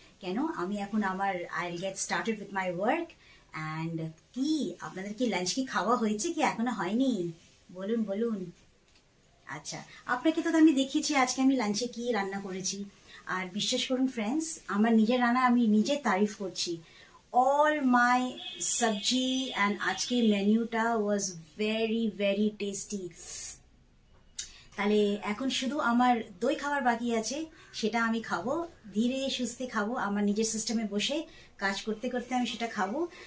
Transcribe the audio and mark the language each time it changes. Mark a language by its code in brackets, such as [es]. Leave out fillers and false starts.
[bn] কেন, আমি এখন আমার [en] I will get started with my work. [bn] And কি আপনাদের কি লাঞ্চ কি খাওয়া হয়েছে কি এখনো হয়নি, বলুন বলুন। আচ্ছা, আপনাকে তো আমি দেখেছি আজকে আমি লাঞ্চে কি রান্না করেছি। আর বিশ্বাস করুন ফ্রেন্ডস, আমার নিজের রান্না আমি নিজে তারিফ করছি, [en] all my sabji and aajke menu ta was very very tasty. [bn] তাহলে এখন শুধু আমার দই খাওয়ার বাকি আছে, সেটা আমি খাবো, ধীরে সুস্থে খাবো, আমার নিজের সিস্টেমে বসে কাজ করতে করতে আমি সেটা খাবো।